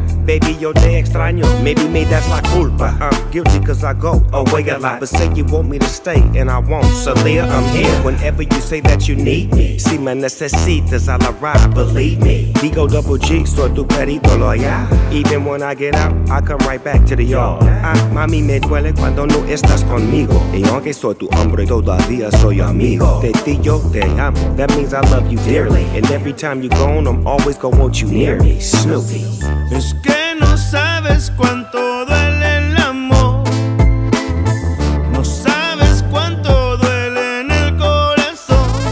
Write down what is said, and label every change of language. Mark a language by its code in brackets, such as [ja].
[es] Baby, yo te extraño. [en] Maybe me, that's [es] la culpa. [en] I'm guilty cause I go away a lot. But say you want me to stay, and I won't. So Leah, I'm here whenever you say that you need me. [es] Si me necesitas, [en] I'll arrive, believe me. [es] Digo double G, soy tu perito loyal. [en] Even when I get out, I come right back to the yard. [es] Ah, mami, me duele cuando no estás conmigo. Y aunque soy tu hombre, todavía soy amigo. De ti yo te amo. [en] That means I love you dearly. And every time you gone, I'm always gonna want you near me. Snoopy. [es] Es que no sabes cuánto duele el amor. No sabes cuánto duele en el corazón.